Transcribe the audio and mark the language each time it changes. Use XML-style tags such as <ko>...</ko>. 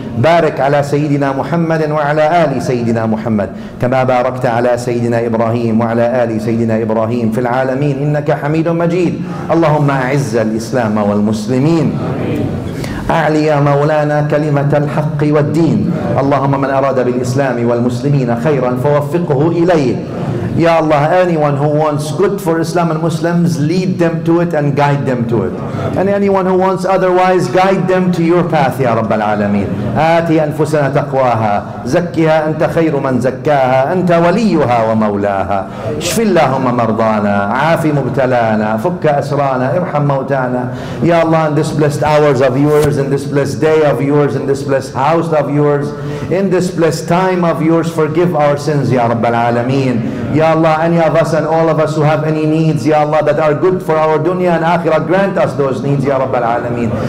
<ar>بارك على سيدنا محمد وعلى آل سيدنا محمد كما باركت على سيدنا إبراهيم وعلى آل سيدنا إبراهيم في العالمين, إنك حميد مجيد. اللهم أعز الإسلام والمسلمين, أعلي يا مولانا كلمة الحق والدين. اللهم من أراد بالإسلام والمسلمين خيرا فوفقه إليه. يا الله,</ar> <en>anyone who wants good for Islam and Muslims, lead them to it and guide them to it. And anyone who wants otherwise, guide them to your path,</en> <ar>يا رب العالمين. آتي أنفسنا تقواها, زكها أنت خير من زكاها, أنت وليها ومولاها. اشف اللهم مرضانا, عافي مبتلانا, فك أسرانا, ارحم موتانا. يا الله,</ar> <en>in this blessed hours of yours, in this blessed day of yours, in this blessed house of yours, in this blessed time of yours, forgive our sins,</en> <ar>يا رب العالمين. Ya Allah,</ar> <en>any of us and all of us who have any needs, Ya Allah, that are good for our dunya and akhirah, grant us those needs,</en> <ar>Ya Rabbal Alameen.</ar>